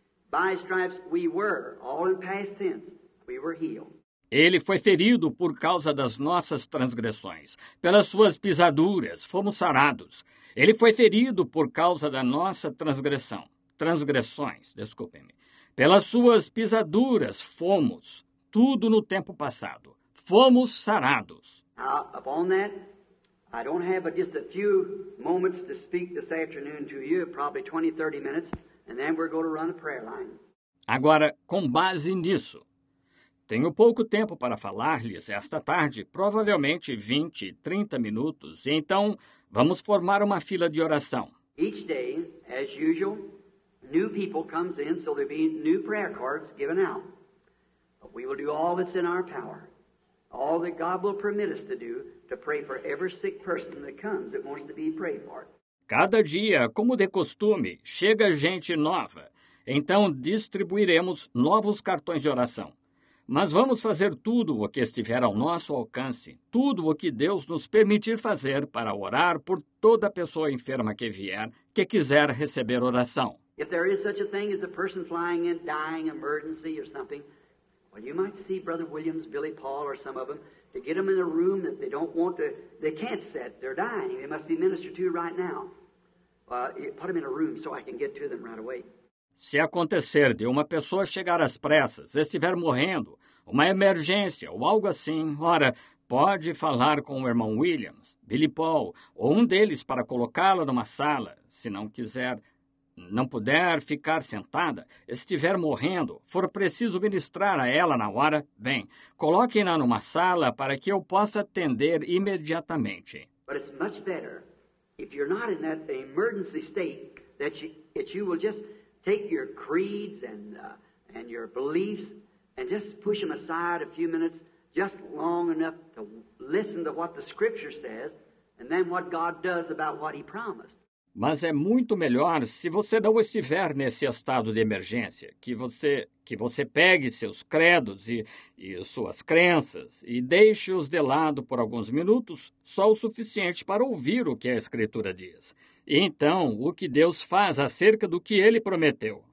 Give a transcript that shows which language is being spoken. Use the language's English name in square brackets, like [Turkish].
[English] By his stripes, we were, all in past tense, we were healed. [Portuguese] Ele foi ferido por causa das nossas transgressões. Pelas suas pisaduras, fomos sarados. Ele foi ferido por causa da nossa transgressão. Transgressões, desculpem-me. Pelas suas pisaduras, fomos. Tudo no tempo passado. Fomos sarados. [English] Now, upon that, I don't have just a few moments to speak this afternoon to you, probably 20, 30 minutes, and then we're going to run the prayer line. [Portuguese] Agora, com base nisso, tenho pouco tempo para falar-lhes esta tarde, provavelmente 20, 30 minutos, e então vamos formar uma fila de oração. [English] Each day, as usual, new people comes in, so there'll be new prayer cards given out. But we will do all that's in our power, all that God will permit us to pray for every sick person that comes that wants to be prayed for. [Portuguese] Cada dia, como de costume, chega gente nova. Então distribuiremos novos cartões de oração. Mas vamos fazer tudo o que estiver ao nosso alcance, tudo o que Deus nos permitir fazer para orar por toda pessoa enferma que vier, que quiser receber oração. [English] If there is such a thing as a person flying in, dying, emergency or something, well, you might see Brother Williams, Billy Paul or some of them, to get them in a room that they don't want to, they can't sit, they're dying, they must be ministered to right now. Put them in a room so I can get to them right away. [Portuguese] Se acontecer de uma pessoa chegar às pressas, estiver morrendo, uma emergência ou algo assim, ora, pode falar com o irmão Williams, Billy Paul, ou um deles para colocá-la numa sala. Se não quiser, não puder ficar sentada, estiver morrendo, for preciso ministrar a ela na hora, bem, coloque-na numa sala para que eu possa atender imediatamente. [English] But it's much better if you're not in that emergency state that you will just take your creeds and your beliefs and just push them aside a few minutes, just long enough to listen to what the Scripture says and then what God does about what He promised. [Portuguese] Mas é muito melhor se você não estiver nesse estado de emergência, que você pegue seus credos e suas crenças e deixe-os de lado por alguns minutos, só o suficiente para ouvir o que a Escritura diz. E então, o que Deus faz acerca do que Ele prometeu.